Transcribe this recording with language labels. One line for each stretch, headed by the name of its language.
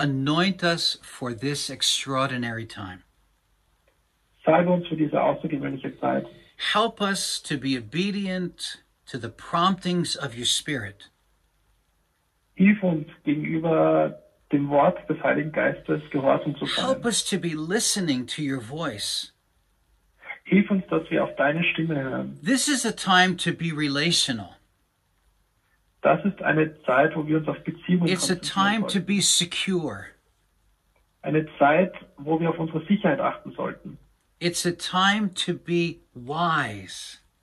English: Anoint us for this extraordinary time.
German: Salbe uns für diese außergewöhnliche Zeit.
English: Help us to be obedient to the promptings of your Spirit.
German: Hilf uns, gegenüber dem Wort des Heiligen Geistes gehorsam zu sein.
English: Help us to be listening to your voice.
German: Hilf uns, dass wir auf deine Stimme hören.
English: This is a time to be relational.
German: Das ist eine Zeit, wo wir uns auf Beziehungen konzentrieren.
English: It's a time to be secure.
German: Eine Zeit, wo wir auf unsere Sicherheit achten sollten.
English: It's a time to be wise.